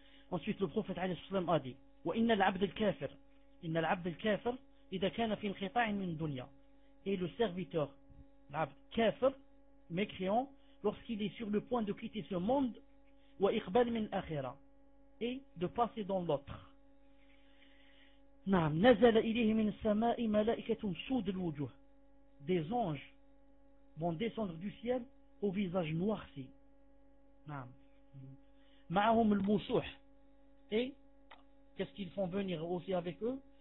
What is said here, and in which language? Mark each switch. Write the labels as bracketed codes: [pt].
[fr] Ensuite le prophète [ar] عليه الصلاة والسلام a dit وإن العبد الكافر إن العبد الكافر إذا كان في انقطاع من الدنيا. [fr] Et le serviteur العبد كافر mécréant lorsqu'il est sur le point de quitter ce monde [ar] وإقبال من الآخرة [fr] et de passer dans l'autre. [ar] نعم نزل إليه من السماء ملائكة سود الوجوه. [fr] Des anges vont descendre du ciel au visage noirci. [ar] نعم. معهم الموسوح. [fr] Et qu'est-ce qu'ils font venir aussi avec eux?